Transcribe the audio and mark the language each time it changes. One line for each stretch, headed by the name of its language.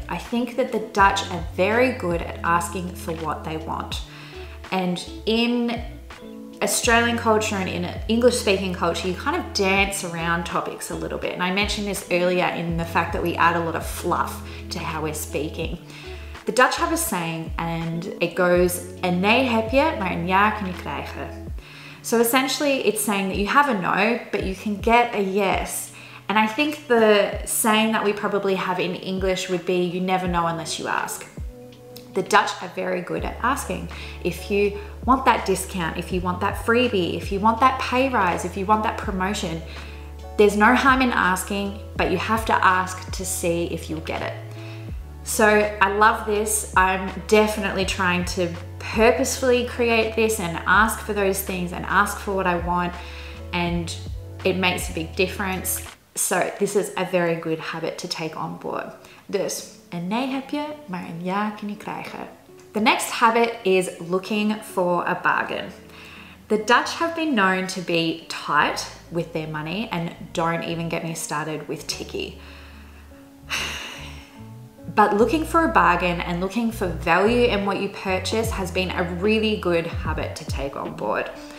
English: I think that the Dutch are very good at asking for what they want. And in Australian culture and in English speaking culture, you kind of dance around topics a little bit. And I mentioned this earlier in the fact that we add a lot of fluff to how we're speaking. The Dutch have a saying and it goes,
Dutch: "En nee heb je, maar een ja kun je krijgen."
English: So essentially it's saying that you have a no, but you can get a yes. And I think the saying that we probably have in English would be, you never know unless you ask. The Dutch are very good at asking. If you want that discount, if you want that freebie, if you want that pay rise, if you want that promotion, there's no harm in asking, but you have to ask to see if you'll get it. So I love this. I'm definitely trying to purposefully create this and ask for those things and ask for what I want, and it makes a big difference. So this is a very good habit to take on board.
Dutch: Dus, en nee heb je, maar een ja kun je krijgen.
English: The next habit is looking for a bargain. The Dutch have been known to be tight with their money, and don't even get me started with tikkie. But looking for a bargain and looking for value in what you purchase has been a really good habit to take on board.